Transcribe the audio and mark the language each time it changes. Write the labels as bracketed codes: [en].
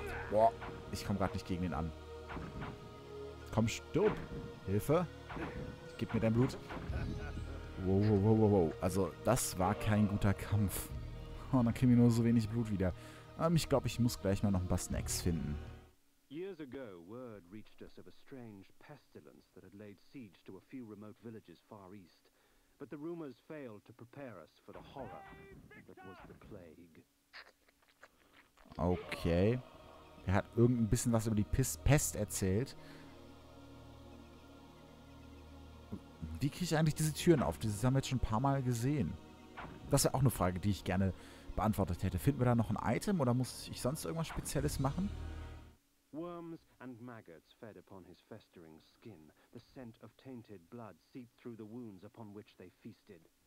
[de] Boah, ich komme gerade nicht gegen ihn an. Komm, stirb. Hilfe. Gib mir dein Blut. Wow, wow, wow, wow, wow. Also, das war kein guter Kampf. Oh, dann kriegen wir nur so wenig Blut wieder. Ich glaube, ich muss gleich mal noch ein paar Snacks finden. [en] Years ago, word reached us of a strange pestilence that had laid siege to a few remote villages far east. But the rumors failed to prepare us for the horror that was the plague. [de] Okay. Er hat irgend ein bisschen was über die Pest erzählt. Wie kriege ich eigentlich diese Türen auf? Diese haben wir jetzt schon ein paar Mal gesehen. Das wäre auch eine Frage, die ich gerne beantwortet hätte. Finden wir da noch ein Item oder muss ich sonst irgendwas Spezielles machen? [en] Worms and maggots fed upon his festering skin. The scent of tainted blood seeped through the wounds upon which they feasted.